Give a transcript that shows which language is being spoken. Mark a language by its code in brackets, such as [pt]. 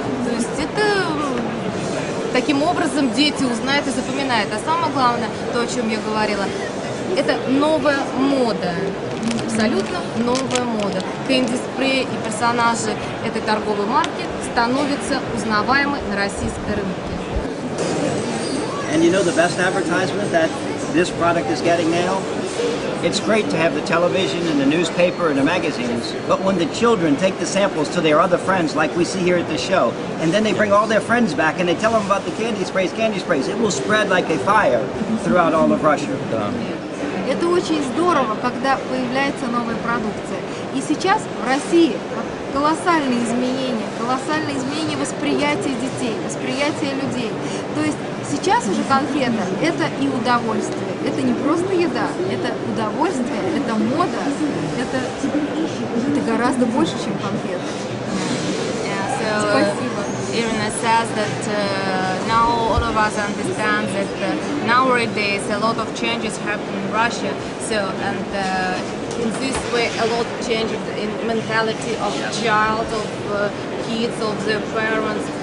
[ru] То есть это таким образом дети узнают и запоминают. А самое главное, то, о чем я говорила, это новая мода. Абсолютно новая мода. Candy Spray и персонажи этой торговой марки становятся узнаваемы на российском рынке. [en] And you know the best advertisement that this product is getting now? It's great to have the television and the newspaper and the magazines, but when the children take the samples to their other friends, like we see here at the show, and then they bring all their friends back and they tell them about the candy sprays, it will spread like a fire throughout all of Russia. [ru] Это очень здорово, когда появляется новая продукция. И сейчас в России колоссальные изменения восприятия детей, восприятия людей. То есть сейчас уже конфета – это и удовольствие. Это не просто еда, это удовольствие, это мода, это гораздо больше, чем конфета. [en] Yeah, so, [ru] спасибо. [en] Irina says that now all of us understand that nowadays a lot of changes happen in Russia. So, and in this way, a lot changes in mentality of child, of kids, of their parents.